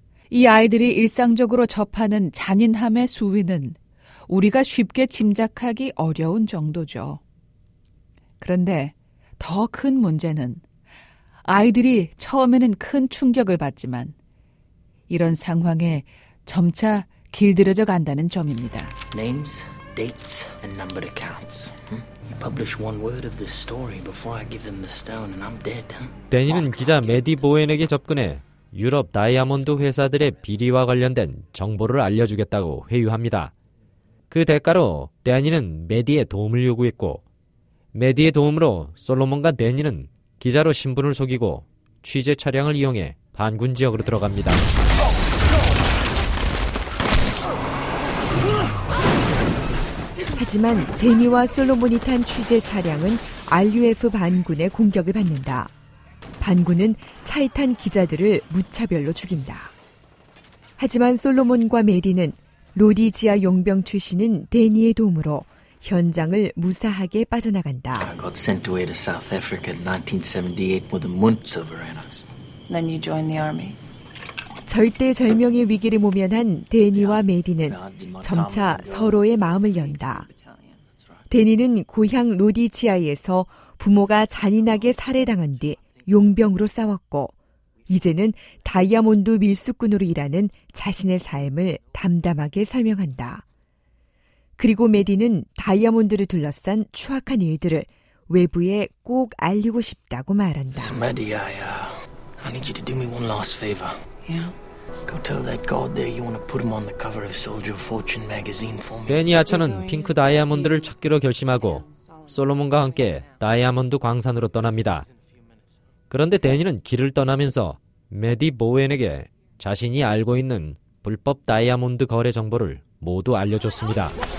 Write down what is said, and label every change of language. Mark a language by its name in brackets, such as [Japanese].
[Korean] 이 아이들이 일상적으로 접하는 잔인함의 수위는 우리가 쉽게 짐작하기 어려운 정도죠. 그런데 더 큰 문제는 아이들이 처음에는 큰 충격을 받지만 이런 상황에 점차 길들여져 간다는 점입니다. [English] Names, dates, and number accounts. You publish one word of this story before I give them the stone and I'm dead. [Korean] 데니는 기자 매디 보엔에게 접근해 유럽 다이아몬드 회사들의 비리와 관련된 정보를 알려주겠다고 회유합니다. 그 대가로 데니는 매디의 도움을 요구했고 매디의 도움으로 솔로몬과 데니는 기자로 신분을 속이고 취재 차량을 이용해 반군 지역으로 들어갑니다. 하지만 데니와 솔로몬이 탄 취재 차량은 RUF 반군의 공격을 받는다. 반군은 차에 탄 기자들을 무차별로 죽인다. 하지만 솔로몬과 메디는 로디지아 용병 출신인 데니의 도움으로 현장을 무사하게 빠져나간다. [English] I got sent away to South Africa in 1978 with a month's over in us. Then you joined the army. [Korean] 절대 절명의 위기를 모면한 데니와 메디는 점차 서로의 마음을 연다. 데니는 고향 로디지아에서 부모가 잔인하게 살해당한 뒤 용병으로 싸웠고 이제는 다이아몬드 밀수꾼으로 일하는 자신의 삶을 담담하게 설명한다. 그리고 메디는 다이아몬드를 둘러싼 추악한 일들을 외부에 꼭 알리고 싶다고 말한다. [English] Somebody, I need you to do me one last favor. Yeah. Go tell that god there you want to put him on the cover of Soldier of Fortune magazine for me. [Korean] 데니 아처는 핑크 다이아몬드를 찾기로 결심하고 솔로몬과 함께 다이아몬드 광산으로 떠납니다. 그런데 데니는 길을 떠나면서 매디 보웬에게 자신이 알고 있는 불법 다이아몬드 거래 정보를 모두 알려줬습니다.